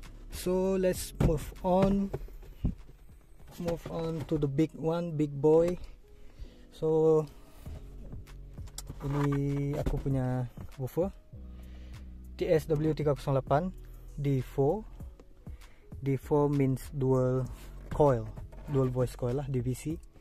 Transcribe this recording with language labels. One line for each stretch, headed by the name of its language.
English: So let's move on to the big one, big boy.
Indonesian: So ini aku punya woofer TSW308 D4.
English: D4 means dual coil, dual voice coil lah, DVC.